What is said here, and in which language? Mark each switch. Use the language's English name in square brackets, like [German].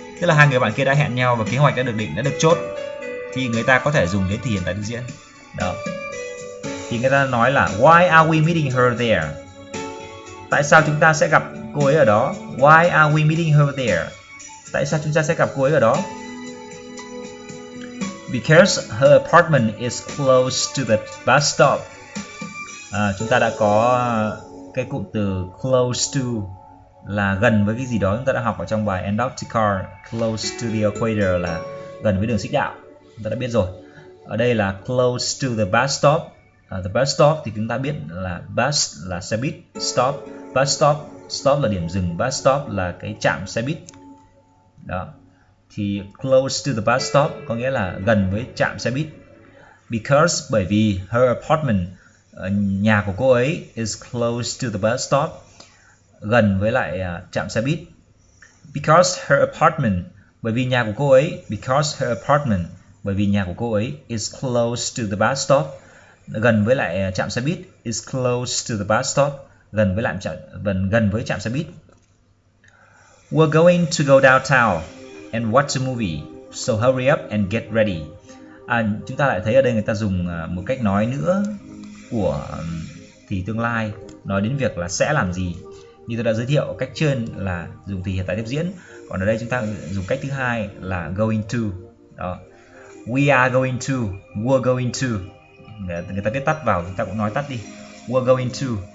[Vietnamese] Tức là hai người bạn kia đã hẹn nhau và kế hoạch đã được định, đã được chốt. Thì người ta có thể dùng đến thì hiện tại tiếp diễn. Đó. Thì người ta nói là [English] why are we meeting her there? [Vietnamese] Tại sao chúng ta sẽ gặp cô ấy ở đó? [English] Why are we meeting her there? [Vietnamese] Tại sao chúng ta sẽ gặp cô ấy ở đó? [English] Because her apartment is close to the bus stop. [Vietnamese] Chúng ta đã có cái cụm từ close to, là gần với cái gì đó, chúng ta đã học ở trong bài Antarctica. [English] Close to the equator [Vietnamese] là gần với đường xích đạo, chúng ta đã biết rồi. Ở đây là [English] close to the bus stop. [Vietnamese] The bus stop thì chúng ta biết là bus là xe buýt, stop, bus stop, stop là điểm dừng, bus stop là cái trạm xe buýt. Đó. Thì [English] close to the bus stop [Vietnamese] có nghĩa là gần với trạm xe buýt. [English] Because, [Vietnamese] bởi vì [English] her apartment, [Vietnamese] nhà của cô ấy, [English] is close to the bus stop, [Vietnamese] gần với lại trạm xe buýt. [English] Because her apartment, [Vietnamese] bởi vì nhà của cô ấy, because her apartment, bởi vì nhà của cô ấy, [English] is close to the bus stop, [Vietnamese] gần với lại trạm xe buýt. [English] Is close to the bus stop, [Vietnamese] gần với lại trạm, gần với trạm xe buýt. [English] We're going to go downtown and watch a movie, so hurry up and get ready. [Vietnamese] Chúng ta lại thấy ở đây người ta dùng một cách nói nữa của thì tương lai, nói đến việc là sẽ làm gì. Như tôi đã giới thiệu cách trên là dùng thì hiện tại tiếp diễn, còn ở đây chúng ta dùng cách thứ hai là going to. Đó. [English] We are going to, [Vietnamese] we're going to. Người ta viết tắt vào, chúng ta cũng nói tắt đi. [English] We're going to.